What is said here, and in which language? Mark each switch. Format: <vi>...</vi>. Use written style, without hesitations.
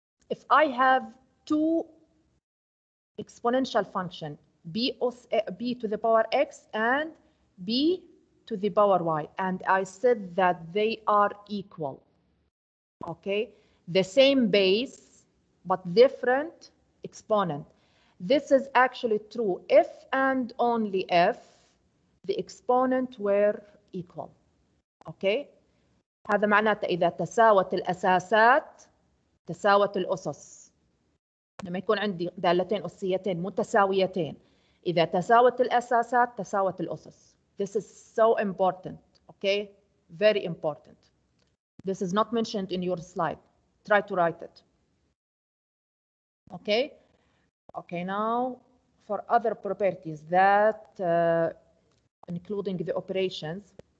<en>If I have two exponential function, b to the power x and b to the power y, and I said that they are equal, okay? The same base, but different exponent. This is actually true if and only if the exponent were equal, okay?</en> <ar>هذا معناته إذا تساوت الأساسات تساوت الأسس. لما يكون عندي دالتين أسيتين متساويتين، إذا تساوت الأساسات تساوت الأسس.</ar> <en>This is so important, okay? Very important. This is not mentioned in your slide. Try to write it. Okay? Okay, now for other properties that including the operations.</en>